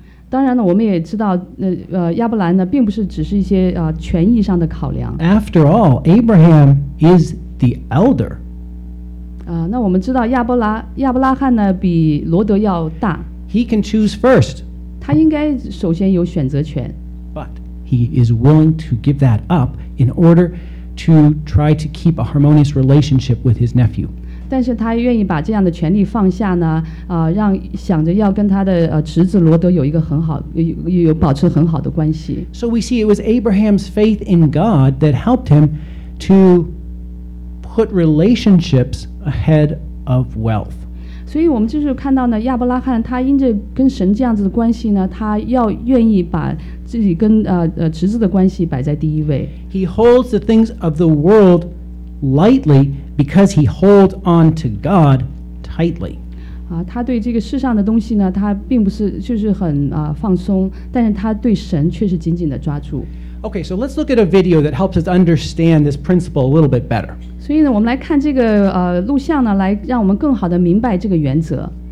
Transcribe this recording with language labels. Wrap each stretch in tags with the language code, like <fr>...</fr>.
<zh>当然呢，我们也知道，亚伯兰呢，并不是只是一些权益上的考量。</zh> <en>After all, Abraham is the elder.</en> <zh>那我们知道亚伯拉罕呢，比罗德要大。</zh> <en>He can choose first.</en> <zh>他应该首先有选择权。</zh> <en>He is willing to give that up in order to try to keep a harmonious relationship with his nephew.</en> <zh>但是他愿意把这样的权利放下呢，让想着要跟他的侄子罗德有一个很好，有保持很好的关系。</zh> <en>So we see it was Abraham's faith in God that helped him to put relationships ahead of wealth.</en> <zh>所以我们就是看到呢，亚伯拉罕他因着跟神这样子的关系呢，他要愿意把自己跟侄子的关系摆在第一位。</zh> <en>He holds the things of the world lightly because he holds on to God tightly.</en> <zh>他对这个世上的东西呢，他并不是就是很放松，但是他对神却是紧紧的抓住。</zh> <en>Okay, so let's look at a video that helps us understand this principle a little bit better.</en> <zh>所以呢，我们来看这个录像呢，来让我们更好的明白这个原则。</zh>